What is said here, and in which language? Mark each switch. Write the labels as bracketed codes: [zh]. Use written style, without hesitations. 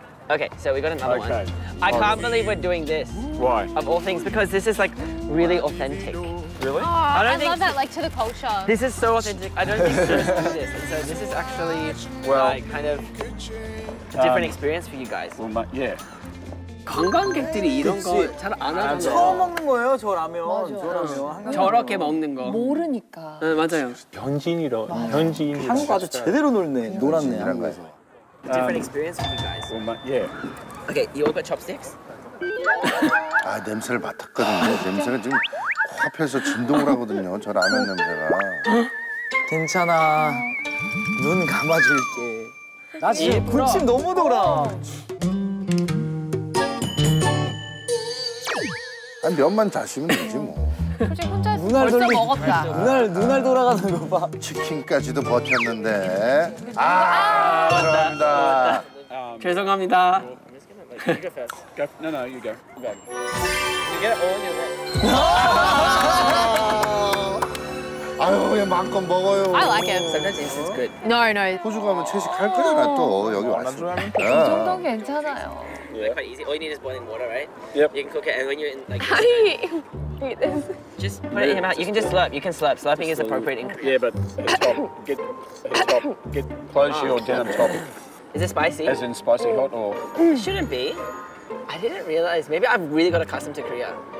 [en] Okay, so we got another one. I can't believe we're doing this. Why? Of all things, because this is like really authentic. Really? Oh, I think love that, like to the culture. This is so authentic. I don't think you should do this. And so this is actually like, kind of a different experience for you guys. Well, but yeah. [ko] 관광객들이 이런 거 잘 안 하는데 처음 먹는 거예요, 저 라면. 맞아. 저 라면. 저렇게 먹는 거. 모르니까. 네, 맞아요. 현지인이라. 현지인. 한국 와서 제대로 놀았네, 한국에서. [en] Different experience for you guys. Well, yeah. [ko] 오케이, 이거가 chopsticks? 아, 냄새를 맡았거든요. 냄새가 지금 코앞에서 진동을 하거든요, 저 라면 냄새가. 괜찮아. 눈 감아줄게. 나 지금 군침 너무 돌아. 한 면만 다시면 되지 뭐. 솔직히 혼자 눈알 벌써 돌리, 먹었다. 눈알 돌아가는 거 봐. 치킨까지도 버텼는데. 아, 그렇습니다. 죄송합니다. [en] No, you go. You get it all in your way. [ko] 아유, 그냥 마음껏 먹어요. [en] I like it. Sometimes it's good. No, no. [ko] 호주 가면 채식 할 거야, 나 또. 여기 왔어. 그 정도 괜찮아요. [en] Really quite easy. All you need is boiling water, right? Yep. You can cook it, and when you're in, like. How do you eat this? Just put it in your mouth. You can just slurp. You can slurp. Slurping is appropriate. Yeah, but stop. Get close your damn top. Is it spicy? As in spicy hot or? It shouldn't be. I didn't realize. Maybe I've really got accustomed to Korea.